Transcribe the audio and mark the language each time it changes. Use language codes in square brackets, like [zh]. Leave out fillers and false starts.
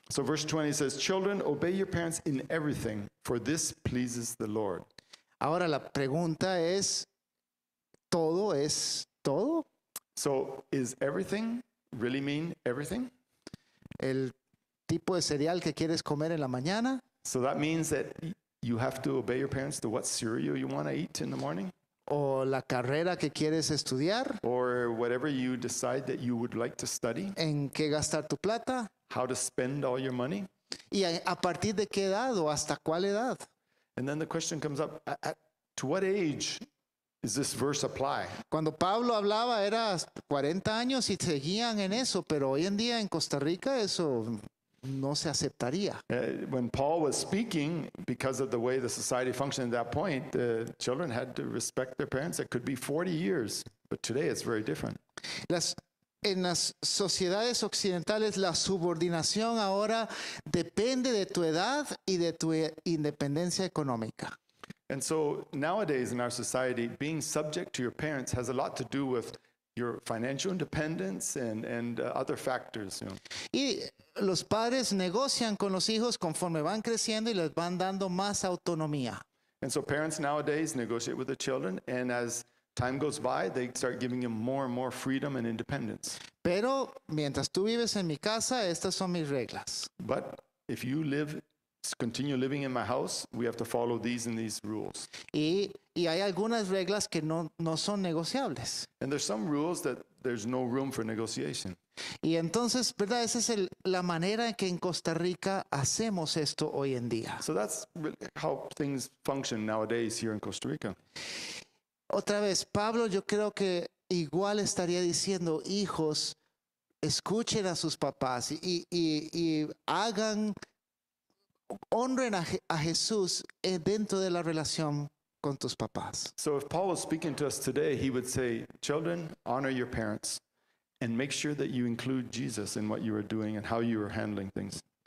[en] So verse 20 says, children, obey your parents in everything, for this pleases the Lord. [es] Ahora la pregunta es, ¿todo es todo? [en] So is everything really mean everything? [es] El tipo de cereal que quieres comer en la mañana. [en] So that means that you have to obey your parents to what cereal you want to eat in the morning? [es] O la carrera que quieres estudiar. [en] Or whatever you decide that you would like to study. [es] En qué gastar tu plata. [en] How to spend all your money. [es] Y a partir de qué edad o hasta cuál edad. [en] And then the question comes up, to what age is this verse apply? [es] Cuando Pablo hablaba era 40 años y seguían en eso, pero hoy en día en Costa Rica eso no se aceptaría. [en] When Paul was speaking, because of the way the society functioned at that point, the children had to respect their parents. It could be 40 years, but today it's very different. [es] En las sociedades occidentales, la subordinación ahora depende de tu edad y de tu independencia económica. [en] And so nowadays in our society, being subject to your parents has a lot to do with your financial independence and other factors. You know. [es] Y los padres negocian con los hijos conforme van creciendo y les van dando más autonomía. [en] And so parents nowadays negotiate with the children, and as time goes by, they start giving them more and more freedom and independence. [es] Pero mientras tú vives en mi casa, estas son mis reglas. [en] But if you continue living in my house, we have to follow these rules. [es] Y hay algunas reglas que no son negociables. [en] And there's some rules that there's no room for negotiation. [es] Y entonces, ¿verdad? Esa es la manera en que en Costa Rica hacemos esto hoy en día. [en] So that's how things function nowadays here in Costa Rica. [es] Otra vez, Pablo, yo creo que igual estaría diciendo, hijos, escuchen a sus papás y hagan, honren a Jesús dentro de la relación con tus papás. [en] So if Paul was speaking to us today, he would say, children, honor your parents and make sure that you include Jesus in what you are doing and how you are handling things.